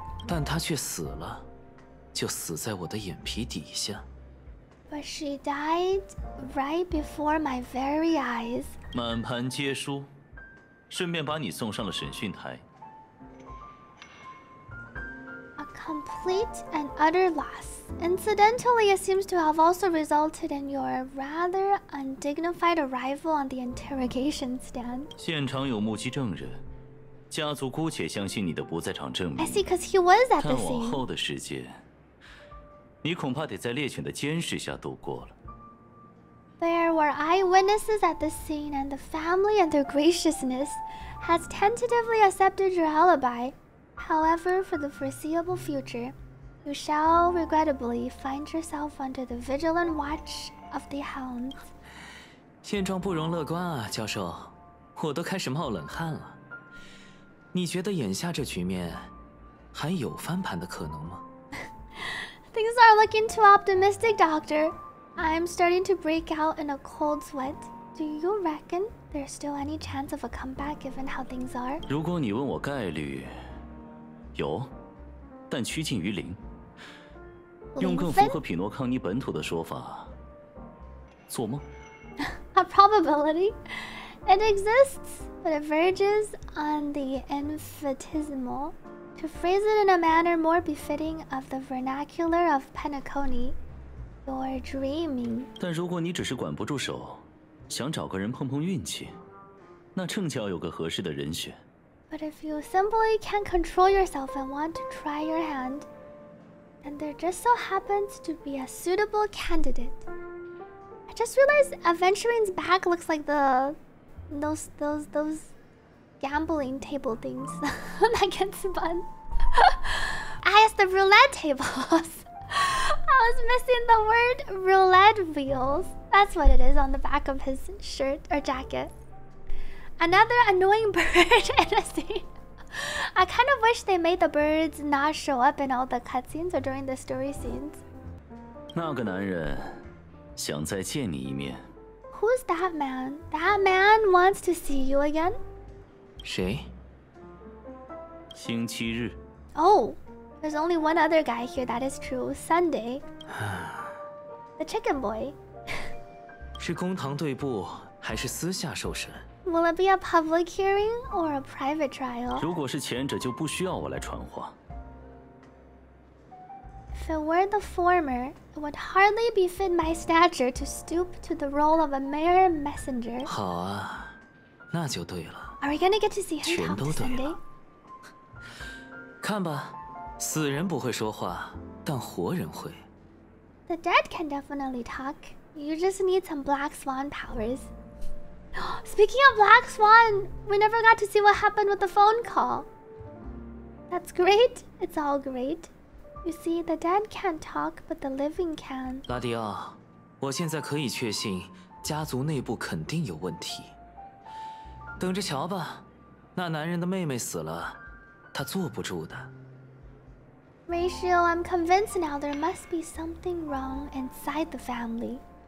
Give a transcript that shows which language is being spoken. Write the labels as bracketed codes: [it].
[zh] 但她却死了，就死在我的眼皮底下。 [en] But she died right before my very eyes. [zh] 满盘皆输，顺便把你送上了审讯台。 [en] Complete and utter loss. Incidentally, it seems to have also resulted in your rather undignified arrival on the interrogation stand. [zh] 现场有目击证人，家族姑且相信你的不在场证明。 [en] I see, because he was at the scene. [zh] 但往后的世界，你恐怕得在猎犬的监视下度过了。 [en] There were eyewitnesses at the scene, and the family and their graciousness has tentatively accepted your alibi. However, for the foreseeable future, you shall regrettably find yourself under the vigilant watch of the hounds. [zh] 现状不容乐观啊，教授，我都开始冒冷汗了。你觉得眼下这局面还有翻盘的可能吗？ [en] Things are looking too optimistic, Doctor. I'm starting to break out in a cold sweat. Do you reckon there's still any chance of a comeback given how things are? [zh] 如果你问我概率。有，但趋近于零。用更符合匹诺康尼本土的说法，做梦。 [en] A probability, it exists, but it verges on the infinitesimal. To phrase it in a manner more befitting of the vernacular of penacony, you're dreaming. [zh] 但如果你只是管不住手，想找个人碰碰运气，那正巧有个合适的人选。 [en] But if you simply can't control yourself and want to try your hand, and there just so happens to be a suitable candidate. I just realized Aventurine's back looks like those gambling table things that get spun. Ah, yes, the roulette tables. I was missing the word roulette wheels. That's what it is on the back of his shirt or jacket. Another annoying bird in a scene. I kind of wish they made the birds not show up in all the cutscenes or during the story scenes. [zh] 那个男人想再见你一面。 [en] Who's that man? That man wants to see you again? [zh] 谁？星期日。 [en] Oh, there's only one other guy here, that is true. Sunday. The chicken boy. [zh] 是公堂对簿还是私下受审？ [en] Will it be a public hearing or a private trial? [zh] 如果是前者，就不需要我来传话。 [en] If it were the former, it would hardly befit my stature to stoop to the role of a mere messenger. [zh] 好啊，那就对了。 [en] Are we gonna get to see him talk Sunday? [zh] 看吧，死人不会说话，但活人会。 [en] The dead can definitely talk. You just need some black swan powers. Speaking of Black Swan, we never got to see what happened with the phone call. That's great. It's all great. You see, the dead can't talk, but the living can. [zh] 拉迪奥，我现在可以确信家族内部肯定有问题。等着瞧吧，那男人的妹妹死了，他坐不住的。 [en] Ratio, I'm convinced now there must be something wrong inside the family.